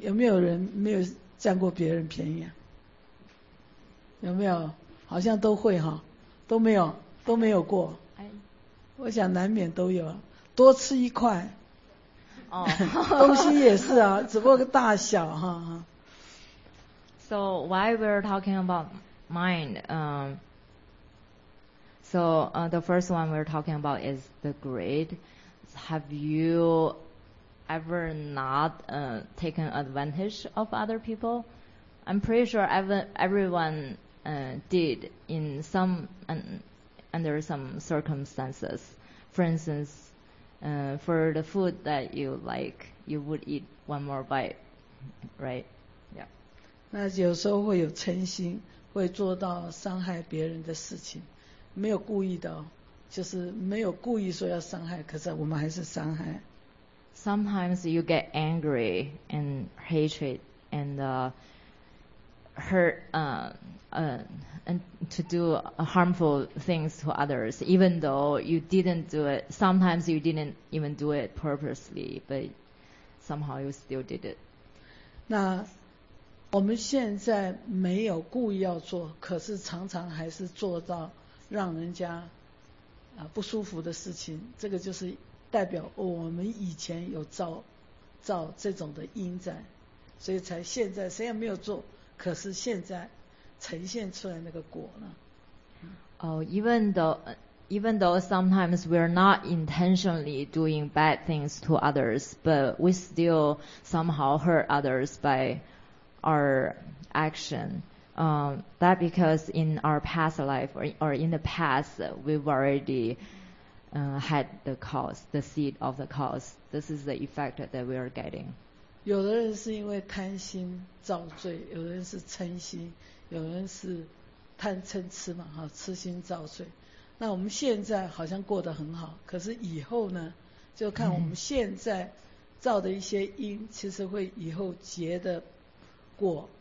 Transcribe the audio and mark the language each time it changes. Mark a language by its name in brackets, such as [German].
[Chinese] 有没有人没有占过别人便宜啊？有没有？好像都会哈，都没有过。我想难免都有，多吃一块，东西也是啊，只不过大小哈。 [English] So why we're talking about mind? So the first one we're talking about is the greed. Have you ever not taken advantage of other people? I'm pretty sure everyone did in some under some circumstances. For instance, for the food that you like, you would eat one more bite, right? Yeah. [Chinese] 那有时候会有嗔心，会做到伤害别人的事情。没有故意的，就是没有故意说要伤害，可是我们还是伤害。 [English] Sometimes you get angry and hatred and hurt and to do harmful things to others, even though you didn't do it. Sometimes you didn't even do it purposely, but somehow you still did it. [Chinese] 那我们现在没有故意要做，可是常常还是做到让人家不舒服的事情，这个就是代表我们以前有造这种的因在，所以才现在谁也没有做，可是现在呈现出来那个果呢。 [English] Even though sometimes we're not intentionally doing bad things to others, but we still somehow hurt others by our action. That because in our past life or in the past we've already had the cause, the seed of the cause. This is the effect that we are getting. [Chinese] 有的人是因为贪心造罪，有人是嗔心，有人是贪嗔痴嘛，哈，痴心造罪。那我们现在好像过得很好，可是以后呢，就看我们现在造的一些因，其实会以后结的果。